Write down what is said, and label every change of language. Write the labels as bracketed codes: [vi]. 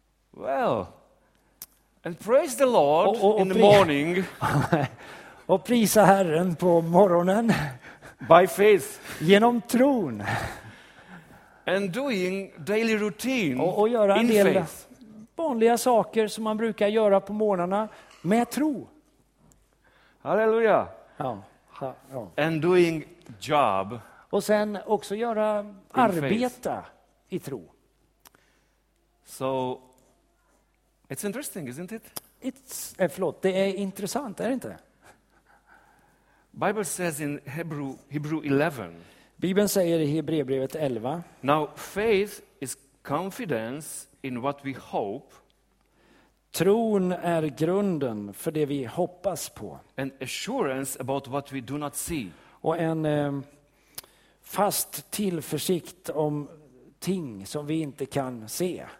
[en] Well. And praise the Lord in the morning. [sv] Och prisa Herren på morgonen. [en] By faith. [sv] Genom tron. [en] And doing daily routine. [sv] Och göra en del vanliga saker som man brukar göra på morgnarna med tro. Halleluja. Ja. [en] And doing job. [sv] Och sen också göra arbeta i tro. [en] So it's interesting, isn't it? [sv] Förlåt, det är intressant, är det inte? [en] Bible says in Hebrew 11. [sv] Bibeln säger i Hebreerbrevet 11. [en] Now faith is confidence in what we hope. [sv] Tron är grunden för det vi hoppas på. [en] And assurance about what we do not see. [sv] Och en fast tillförsikt om ting som vi inte kan se.